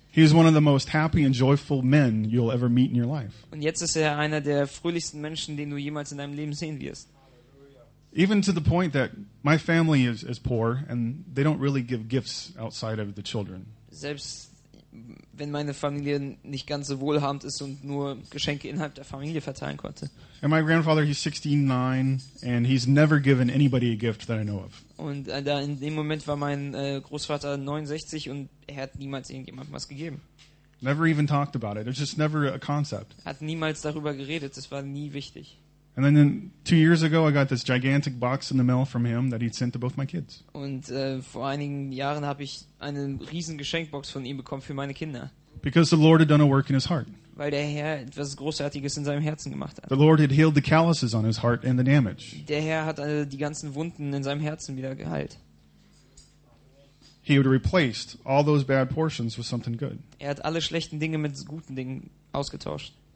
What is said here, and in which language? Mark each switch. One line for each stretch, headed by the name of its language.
English: He is one of the most happy and joyful men you'll ever meet in your life.
German: Und jetzt ist er einer der fröhlichsten Menschen, den du jemals in deinem Leben sehen wirst.
English: Even to the point that my family is poor and they don't really give gifts outside of the children.
German: Selbst wenn meine Familie nicht ganz so wohlhabend ist und nur Geschenke innerhalb der Familie verteilen konnte.
English: And my grandfather, he's 69 and he's never given anybody a gift that I know of.
German: Und da in dem Moment war mein Großvater 69 und er hat niemals irgendjemandem was gegeben.
English: Never even talked about it. It's just never a concept.
German: Hat niemals darüber geredet. Es war nie wichtig.
English: And then 2 years ago, I got this gigantic box in the mail from him that he'd sent to both my kids.
German: Und vor einigen Jahren habe ich eine riesen Geschenkbox von ihm bekommen für meine Kinder.
English: Because the Lord had done a work in his heart.
German: Weil der Herr etwas Großartiges in seinem Herzen gemacht hat.
English: The Lord had healed the calluses on his heart and the damage.
German: Der Herr hat die ganzen Wunden in seinem Herzen wieder geheilt.
English: He had replaced all those bad portions with something good.
German: Er hat alle schlechten Dinge mit guten Dingen ausgetauscht.